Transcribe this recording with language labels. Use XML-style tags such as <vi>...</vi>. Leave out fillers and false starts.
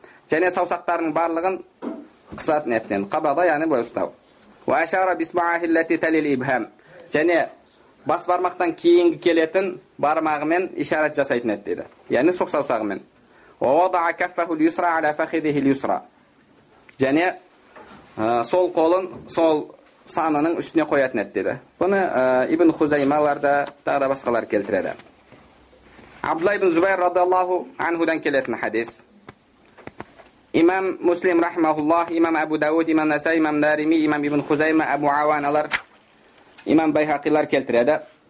<kk>Және саусақтарының барлығын қысатын еді. Қабада, яғни бұл ұстау.</kk> <ar>Ва ашара бисмаахи аллати талил ибхам.</ar> <kk>Және бас бармақтан кейінгі келетін бармағымен ишарат жасайтын еді деді. Яғни соқсаусағымен.</kk> <ar>Ва вадаа каффаху льюсра аля фахидихи льюсра.</ar> <kk>Және сол қолын сол санының үстіне қоятын еді деді. Бұны ибн Хузаймаларда тағы да басқалар келтіреді. Абдулла ибн Зубайр радиаллаху анхудан келетін хадис. Имам Муслим рахимахуллах, имам Абу Дауд, имам Насаи, имам Дарими, имам ибн Хузайма, Абу Ауаналар Имам Байхақилар келтіреді.</kk>